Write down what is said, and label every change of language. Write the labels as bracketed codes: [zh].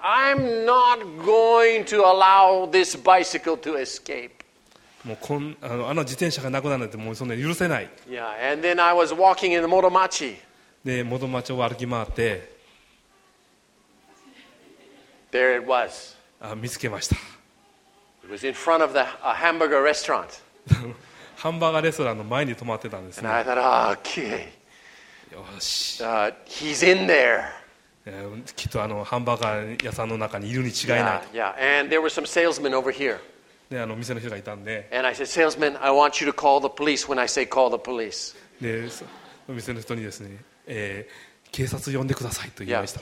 [en] I'm not going to allow this bicycle to escape. [ja] もうあの自転車がなくなるってもうそんな許せない。 [en] yeah, and then I was walking in the 元町。 [ja] で、元町を歩き回って [en] There it was. [ja] 見つけました。 [en] It was in front of a hamburger restaurant. [ja] ハンバーガーレストランの前に泊まってたんですね。 [en] And I thought, oh, okay. [ja] よし。 [en] He's in there. [ja] きっと、あの、ハンバーガー屋さんの中にいるに違いない。 [en] Yeah, yeah. And there were some salesmen over here. [ja] で、あの、店の人がいたんで。 [en] And I said, salesman, I want you to call the police when I say call the police. [ja] で、店の人にですね、警察呼んでくださいと言いました。